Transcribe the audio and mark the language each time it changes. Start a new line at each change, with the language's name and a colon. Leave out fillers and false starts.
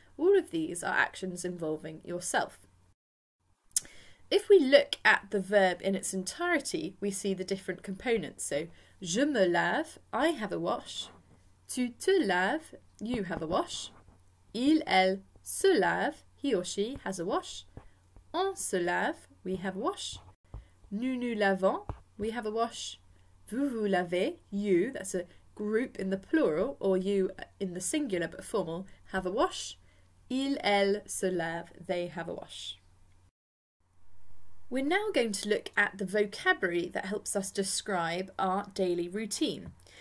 English: All of these are actions involving yourself. If we look at the verb in its entirety, we see the different components. So,
French: je me lave,
English: I have a wash.
French: Tu te laves,
English: you have a wash.
French: Il, elle, se lave,
English: he or she has a wash.
French: On se lave,
English: we have a wash.
French: Nous nous lavons,
English: we have a wash.
French: Vous vous lavez,
English: you, that's a group in the plural, or you in the singular but formal, have a wash.
French: Il, elle, se lave,
English: they have a wash. We're now going to look at the vocabulary that helps us describe our daily routine.